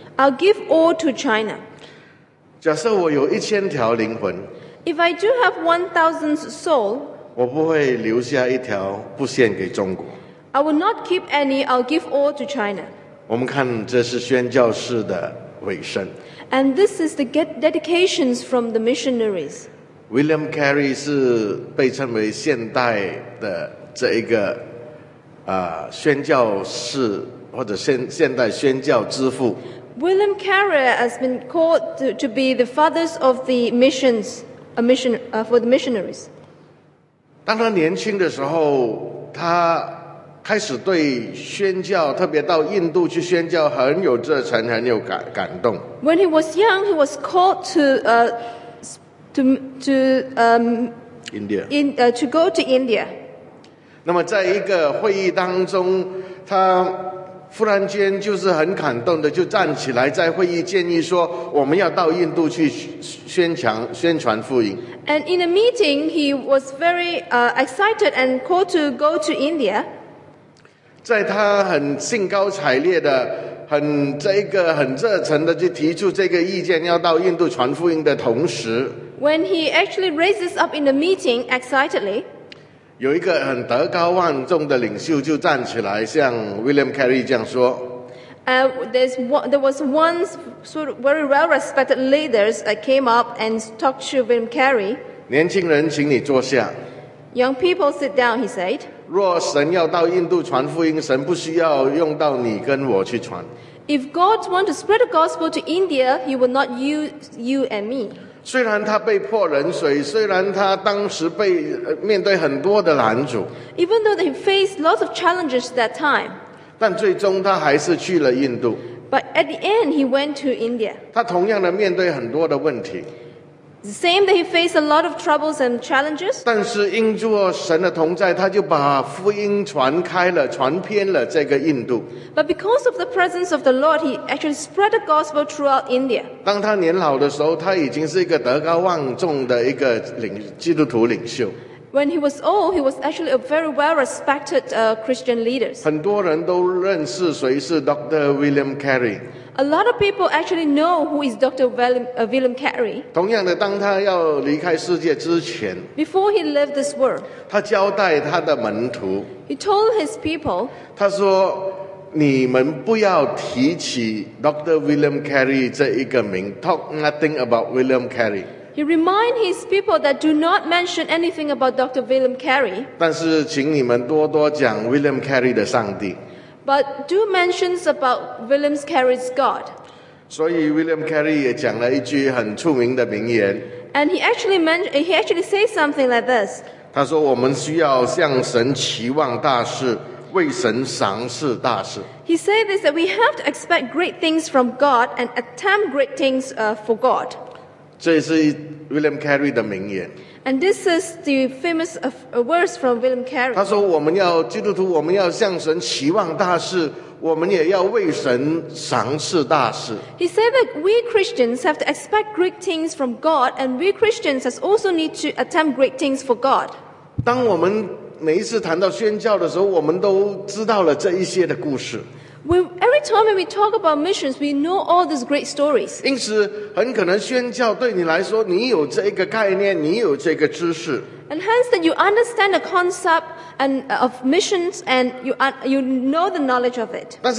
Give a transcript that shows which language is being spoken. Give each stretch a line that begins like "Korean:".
English: I'll give all to China.
Chinese: 假设我有1,000条灵魂。
English: If I do have 1,000 soul.
Chinese: 我不会留下一条不献给中国。
English: I will not keep any. I'll give all to China.
Chinese: 我们看这是宣教士的尾声。
English: And this is the dedications from the missionaries.
Chinese: William Carey 是被称为现代的这一个。宣教士或者现代宣教之父
English: William Carey has been called to be the fathers of the missions for the missionaries.
Chinese: 当他年轻的时候，他开始对宣教，特别到印度去宣教，很有热忱，很有感动。
English: When he was young, he was called to go to India.
Chinese: 那么在一个会议当中，他忽然间就是很感动的，就站起来在会议建议说，我们要到印度去宣传福音。
English: And in a meeting, he was very excited and called to go to India.
Chinese: 在他很兴高采烈的、很热忱的就提出这个意见，要到印度传福音的同时
English: ，When he actually raises up in the meeting excitedly.
Chinese: 有一个很德高望重的领袖就站起来，像 William Carey 这样说。
English: There was one sort of very well-respected leaders that came up and talked to William Carey.
Chinese: 年轻人，请你坐下。
English: Young people, sit down, he said.
Chinese: 若神要到印度传福音，神不需要用到你跟我去传。
English: If God wants to spread the gospel to India, He will not use you and me.
Chinese: 虽然他被泼冷水，虽然他当时被面对很多的拦阻
English: ，Even though he faced lots of challenges that time，
Chinese: 但最终他还是去了印度。
English: But at the end, he went to India.
Chinese: 他同样的面对很多的问题
English: ，The same that he faced a lot of troubles and challenges.
Chinese: 但是因着神的同在，他就把福音传开了，传遍了这个印度。
English: But because of the presence of the Lord, he actually spread the gospel throughout India.
Chinese: 当他年老的时候，他已经是一个德高望重的一个基督徒领袖。
English: When he was old, he was actually a very well-respected Christian leader.
Chinese: 很多人都认识谁是 Dr.
English: William Carey. A lot of people actually know who is Dr. William Carey.
Chinese: 同样的，当他要离开世界之前
English: ，Before he left this world,
Chinese: 他交代他的门徒
English: ，He told his people,
Chinese: 他说。你们不要提起 Dr.
English: William Carey
Chinese: 这一个名
English: ，talk nothing about William Carey. He remind his people that do not mention anything about Dr. William Carey.
Chinese: 但是，请你们多多讲 William Carey 的上帝。
English: But do mentions about William Carey's God.
Chinese: 所以 ，William Carey 也讲了一句很出名的名言。
English: And he actually says something like this.
Chinese: 他说：“我们需要向神期望大事。” 为神赏赐大事。
English: He said this that we have to expect great things from God and attempt great things for God.
Chinese: 这是 William Carey 的名言。
English: And this is the famous words from William Carey.
Chinese: 他说我们要基督徒我们要向神期望大事, 我们也要为神赏赐大事。
English: He said that we Christians have to expect great things from God, and we Christians also need to attempt great things for God.
Chinese: 当我们每一次谈到宣教的时候，我们都知道了这一些的故事。
English: Every time when we talk about missions, we know all these great stories.
Chinese: 因此，很可能宣教对你来说，你有这个概念，你有这个知识。
English: And hence that you understand the concept and of missions, and you know the knowledge of it.